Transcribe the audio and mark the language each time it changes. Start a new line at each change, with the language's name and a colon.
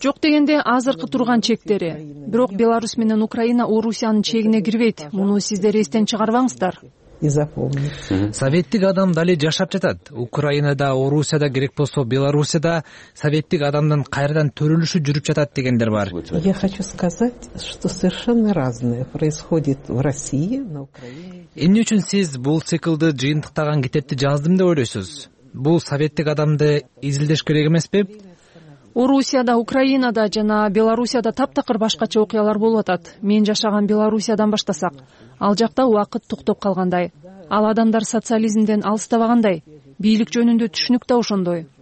Kyrgyz: Жок дегенде азыркы турган чектери. Бирок Беларусь менен Украина Орусиянын чегине кирбейт. Муну сиздер эстен чыгарбаңыздар.
Russian: И запомнить.
Kyrgyz: Советтик адам дали жашап жатат. Украинада, Орусияда, керек болсо Белоруссияда советтик адамдын кайрадан төрөлүшү жүрүп жатат дегендер бар.
Russian: Я хочу сказать, что совершенно разное происходит в России, на Украине.
Kyrgyz: Эмне үчүн сиз бул циклды жыйынтыктаган китепти жаздым деп ойлойсуз? Бул советтик адамды изилдеш керек эмеспи? Орусияда, Украинада жана Белоруссияда таптакыр башкача окуялар болуп атат. Мен жашаган Белоруссиядан баштасак, ал жакта убакыт токтоп калгандай, ал адамдар социализмден алыстабагандай, бийлик жөнүндө түшүнүк да ошондой.